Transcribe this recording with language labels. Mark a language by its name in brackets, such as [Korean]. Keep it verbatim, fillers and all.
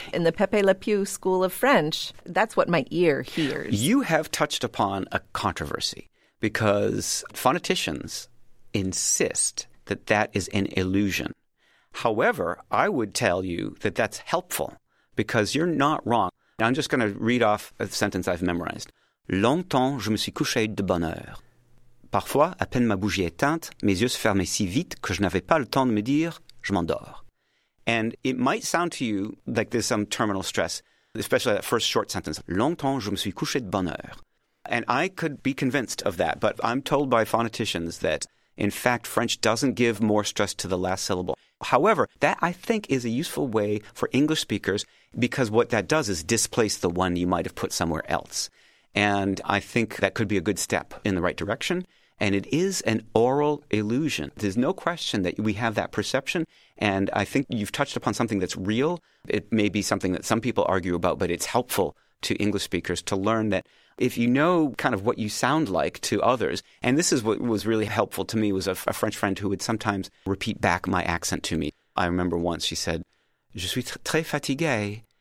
[English] In the Pepe Le Pew school of French, that's what my ear hears. You have touched upon a controversy because phoneticians insist that that is an illusion. However, I would tell you that that's helpful because you're not wrong. Now, I'm just going to read off a sentence I've memorized. [French] Longtemps, je me suis couché de bonne heure. Parfois, à peine ma bougie éteinte, mes yeux se fermaient si vite que je n'avais pas le temps de me dire, je m'endors. [English] And it might sound to you like there's some terminal stress, especially that first short sentence. [French] Longtemps, je me suis couché de bonne heure. [English] And I could be convinced of that, but I'm told by phoneticians that in fact, French doesn't give more stress to the last syllable. However, that I think is a useful way for English speakers because what that does is displace the one you might have put somewhere else. And I think that could be a good step in the right direction. And it is an oral illusion. There's no question that we have that perception. And I think you've touched upon something that's real. It may be something that some people argue about, but it's helpful to English speakers to learn that if you know kind of what you sound like to others, and this is what was really helpful to me was a, a French friend who would sometimes repeat back my accent to me. I remember once she said, [French] "Je suis très fatigué."